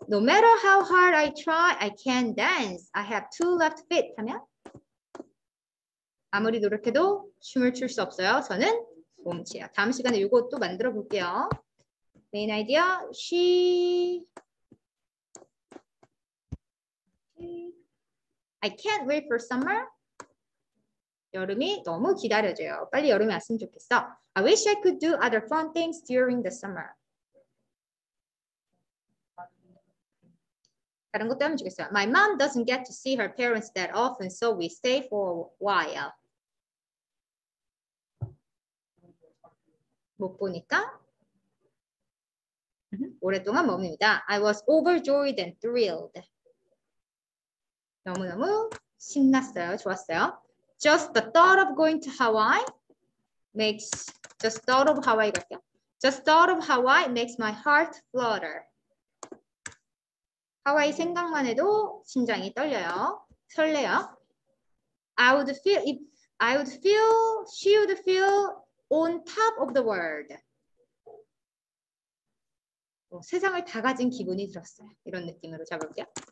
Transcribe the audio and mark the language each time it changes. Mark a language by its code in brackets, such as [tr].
[en] No matter how hard I try, I can't dance. I have two left feet. [ko] 하면 아무리 노력해도 춤을 출 수 없어요. 저는 몸치예요. 다음 시간에 이것도 만들어 볼게요. [en] Main idea. She. I can't wait for summer. [ko] 여름이 너무 기다려져요. 빨리 여름이 왔으면 좋겠어. [en] I wish I could do other fun things during the summer. [ko] 다른 것도 하면 좋겠어요. [en] My mom doesn't get to see her parents that often, so we stay for a while. [ko] 못 보니까 오랫동안 머뭅니다. [en] I was overjoyed and thrilled. [ko] 너무너무 신났어요. 좋았어요. [en] Just the thought of going to Hawaii makes just thought of Hawaii [ko] 갈게요. [en] Just thought of Hawaii makes my heart flutter. [ko] 하와이 생각만 해도 심장이 떨려요. 설레요. [en] She would feel on top of the world. [ko] 세상을 다 가진 기분이 들었어요. 이런 느낌으로 잡을게요.